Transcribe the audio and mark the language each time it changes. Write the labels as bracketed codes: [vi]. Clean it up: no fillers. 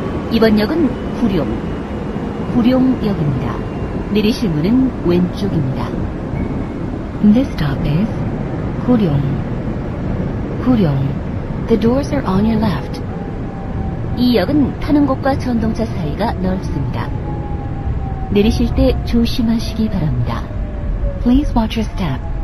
[ko] 이번 역은 구룡, 구룡역입니다. 내리실 문은 왼쪽입니다. [en] This stop is 구룡, 구룡. The doors are on your left. [ko] 이 역은 타는 곳과 전동차 사이가 넓습니다. 내리실 때 조심하시기 바랍니다. [en] Please watch your step.